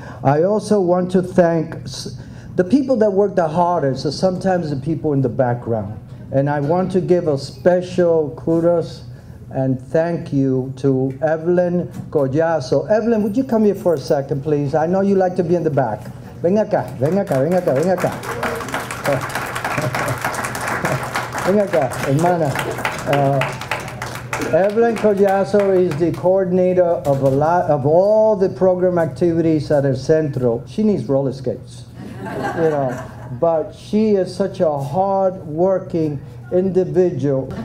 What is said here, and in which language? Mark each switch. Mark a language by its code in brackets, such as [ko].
[en] I also want to thank the people that work the hardest, so sometimes the people in the background. And I want to give a special kudos and thank you to Evelyn Collazo. Evelyn, would you come here for a second, please? I know you like to be in the back. [es] Ven acá, ven acá, ven acá, ven acá. Ven acá, hermana. [en] Evelyn Collazo is the coordinator of a lot of all the program activities at El Centro. She needs roller skates, you know. But she is such a hard-working individual.